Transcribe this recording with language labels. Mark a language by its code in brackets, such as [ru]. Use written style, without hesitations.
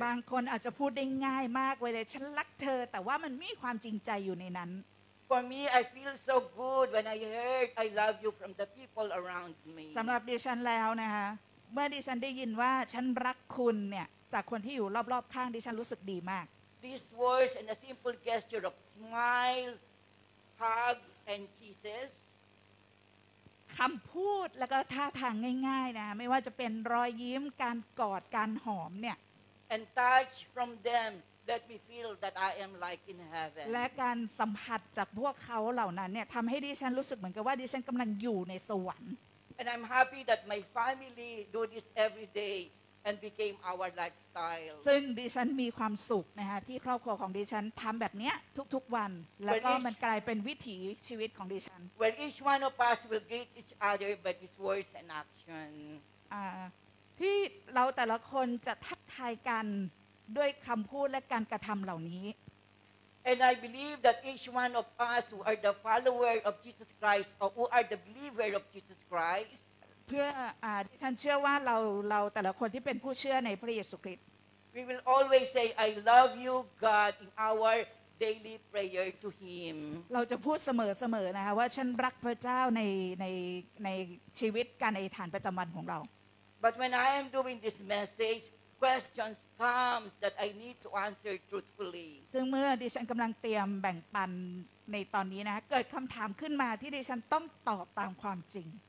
[th] บางคนอาจจะพูดได้ง่ายมากเลยฉันรักเธอแต่ว่ามันไม่มีความจริงใจอยู่ในนั้น [en] For me, I feel so good when I heard I love you from the people around me. [th] สำหรับดิฉันแล้วนะคะเมื่อดิฉันได้ยินว่าฉันรักคุณเนี่ยจากคนที่อยู่รอบๆข้างดิฉันรู้สึกดีมาก [en] These words and a simple gesture of smile, hug, and kisses. [th] คำพูดแล้วก็ท่าทางง่ายๆนะไม่ว่าจะเป็นรอยยิ้มการกอดการหอมเนี่ย [en] And touch from them. Let me feel that I am like in heaven. [th] และการสัมผัสจากพวกเขาเหล่านั้นเนี่ยทำให้ดิฉันรู้สึกเหมือนกับว่าดิฉันกำลังอยู่ในสวรรค์ [en] And I'm happy that my family do this every day and became our lifestyle [th] ซึ่งดิฉันมีความสุขนะฮะที่ครอบครัวของดิฉันทำแบบเนี้ยทุกๆวันแล้วก็มันกลายเป็นวิถีชีวิตของดิฉัน [en] when each one of us will greet each other by his words and action [th] ที่เราแต่ละคนจะทักทายกันด้วยคำพูดและการกระทำเหล่านี้ [en] And I believe that each one of us who are the follower of Jesus Christ or who are the believer of Jesus Christ [th] เพื่อดิฉันเชื่อว่าเราแต่ละคนที่เป็นผู้เชื่อในพระเยซูคริสต์ [en] We will always say I love you God in our daily prayer to him [th] เราจะพูดเสมอนะคะว่าฉันรักพระเจ้าในชีวิตการอธิษฐานประจำวันของเรา [en] But when I am doing this messageQuestions comes that I need to answer truthfully. [th] ซึ่งเมื่อดิฉันกำลังเตรียมแบ่งปันในตอนนี้นะเกิดคำถามขึ้นมาที่ดิฉันต้องตอบตามความจริง